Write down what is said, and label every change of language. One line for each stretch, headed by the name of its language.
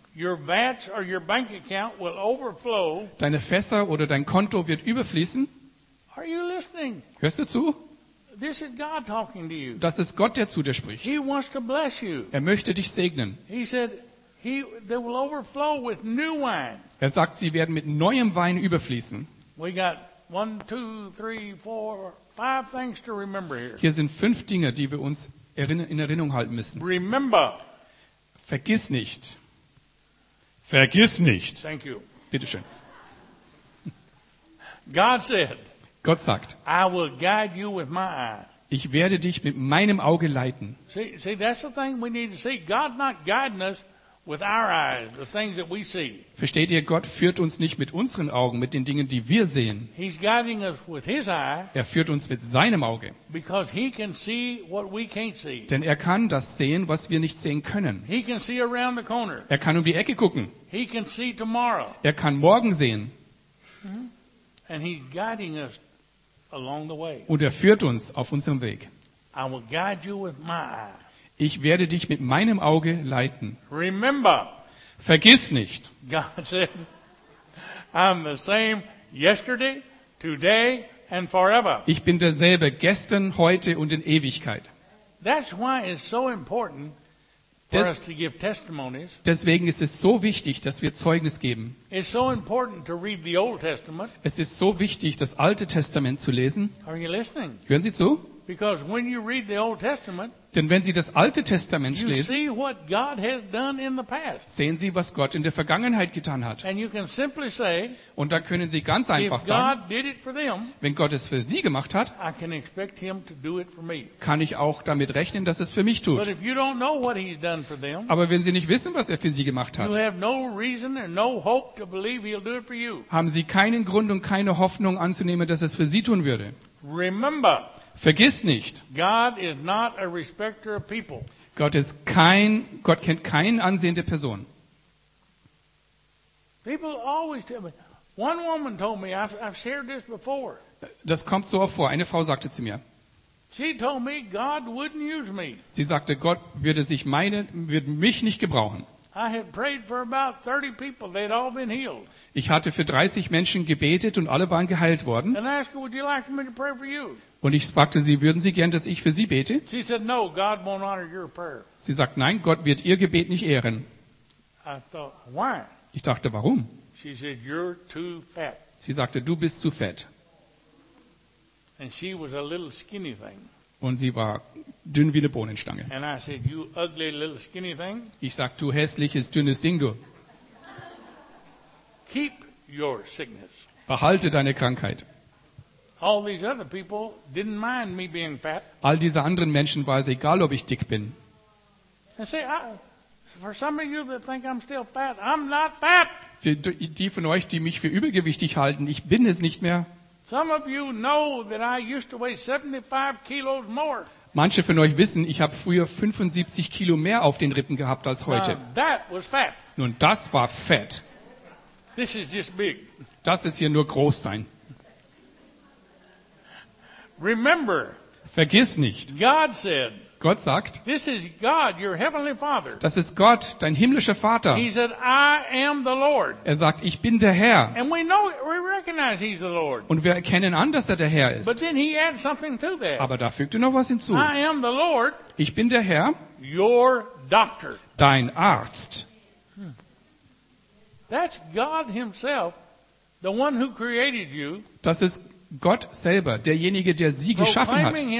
English: Your vats or your bank account will overflow.
German: Deine Fässer oder dein Konto wird überfließen.
English: Are you listening?
German: Hörst du zu?
English: This is God talking to you.
German: Das ist Gott, der zu dir spricht.
English: He wants to bless you.
German: Er möchte dich segnen.
English: He said they will overflow with new wine.
German: Er sagt, sie werden mit neuem Wein überfließen.
English: We got 1, 2, 3, 4, 5 things to remember here.
German: Hier sind 5 Dinge, die wir uns in Erinnerung halten müssen.
English: Remember.
German: Vergiss nicht. Vergiss nicht.
English: Thank you.
German: Bitte schön.
English: God said,
German: Gott sagt,
English: I will guide you with my eye.
German: Ich werde dich mit meinem Auge leiten.
English: See, that's the thing we need to see. God's not guiding us with our eyes, the things that we see.
German: Versteht ihr, Gott führt uns nicht mit unseren Augen, mit den Dingen, die wir sehen.
English: He's guiding us with his eye.
German: Er führt uns mit seinem Auge.
English: Because he can see what we can't see.
German: Denn er kann das sehen, was wir nicht sehen können.
English: He can see around the corner.
German: Er kann um die Ecke gucken.
English: He can see tomorrow.
German: Er kann morgen sehen.
English: And he's guiding us along the way.
German: Und er führt uns auf unserem Weg.
English: I will guide you with my eye.
German: Ich werde dich mit meinem Auge leiten.
English: Remember,
German: vergiss nicht.
English: God said, I'm the same yesterday, today and forever.
German: Ich bin derselbe gestern, heute und in Ewigkeit.
English: That's why it's so important for us to give testimonies.
German: Deswegen ist es so wichtig, dass wir Zeugnis geben.
English: It's so important to read the Old Testament.
German: Es ist so wichtig, das Alte Testament zu lesen.
English: Are you listening?
German: Hören Sie zu?
English: Because when you read the Old Testament,
German: denn wenn Sie das Alte Testament lesen,
English: you see what God has done in the past.
German: Sehen Sie, was Gott in der Vergangenheit getan hat.
English: And you can simply say,
German: und dann können Sie ganz einfach
English: if God
German: sagen,
English: did it for them,
German: wenn Gott es für Sie gemacht hat,
English: I can expect him to do it for me.
German: Kann ich auch damit rechnen, dass es für mich tut.
English: But if you don't know what he's done for them,
German: aber wenn Sie nicht wissen, was er für Sie gemacht hat,
English: you have no reason and no hope to believe he'll do it for you.
German: Haben Sie keinen Grund und keine Hoffnung anzunehmen, dass es für Sie tun würde.
English: Remember,
German: vergiss nicht.
English: God is not a respecter of people.
German: Gott kennt kein Ansehen der Person.
English: People always tell me. One woman told me, I've shared this before.
German: Das kommt so oft vor. Eine Frau sagte zu mir.
English: She told me God wouldn't use me.
German: Sie sagte, Gott würde mich nicht gebrauchen.
English: I had prayed for about 30 people. They'd all been healed.
German: Ich hatte für 30 Menschen gebetet und alle waren geheilt worden.
English: And I asked her, would you like me to pray for you?
German: Und ich fragte sie, würden Sie gern, dass ich für Sie bete?
English: She said, no, God won't honor your prayer.
German: Sie sagt, nein, Gott wird Ihr Gebet nicht ehren.
English: I thought, why?
German: Ich dachte, warum?
English: She said, you're too fat.
German: Sie sagte, du bist zu fett.
English: And she was a little skinny thing.
German: Und sie war dünn wie eine Bohnenstange.
English: And I said, you ugly little skinny thing.
German: Ich sagte, du hässliches, dünnes Ding, du.
English: Keep your sickness.
German: Behalte deine Krankheit.
English: All these other people didn't mind me being fat.
German: All diese anderen Menschen war es egal, ob ich dick bin.
English: And say, for some of you that think I'm still fat, I'm not fat.
German: Für die von euch, die mich für übergewichtig halten, ich bin es nicht mehr.
English: Some of you know that I used to weigh 75 kilos more.
German: Manche von euch wissen, ich habe früher 75 Kilo mehr auf den Rippen gehabt als heute.
English: Now, that was fat.
German: Nun, das war fett.
English: This is just big.
German: Das ist hier nur groß sein.
English: Remember,
German: vergiss nicht.
English: God said,
German: Gott sagt,
English: this is God, your heavenly Father.
German: Das ist Gott, dein himmlischer Vater.
English: He said, I am the Lord.
German: Er sagt, ich bin der Herr.
English: And we know, we recognize he's the Lord.
German: Und wir erkennen an, dass er der Herr ist.
English: But then he adds something to that.
German: Aber da fügt er noch was hinzu.
English: I am the Lord,
German: ich bin der Herr,
English: your doctor.
German: Dein Arzt.
English: That's God himself, the one who created you.
German: Das ist Gott selber, derjenige, der sie geschaffen hat.